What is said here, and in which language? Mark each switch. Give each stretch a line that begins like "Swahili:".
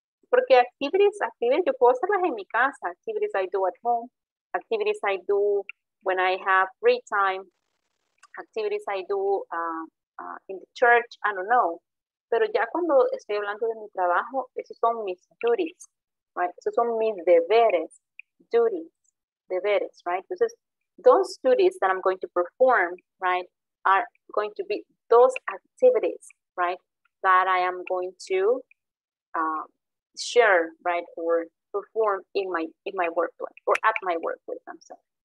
English: Porque activities,
Spanish: yo puedo hacerlas en mi casa,
English: activities I do at home, activities I do when I have free time, activities I do in the church, I don't know.
Spanish: Pero ya cuando estoy hablando de mi trabajo, esos son mis duties, right? Esos son mis deberes, duties, deberes, right?
English: Entonces, those duties that I'm going to perform, right, are going to be those activities, right, that I am going to share, right, or perform in my workplace, or at my workplace, I'm sorry.